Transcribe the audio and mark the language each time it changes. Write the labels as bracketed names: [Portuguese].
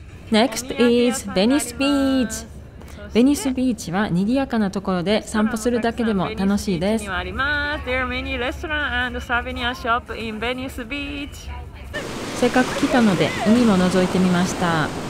[English] Next is Venice Beach. [Japanese] Venice Beach は賑やかなところで散歩するだけでも楽しいです。 [English] There are many restaurants and souvenir shops in Venice Beach. [Japanese] せっかく来たので海も覗いてみました。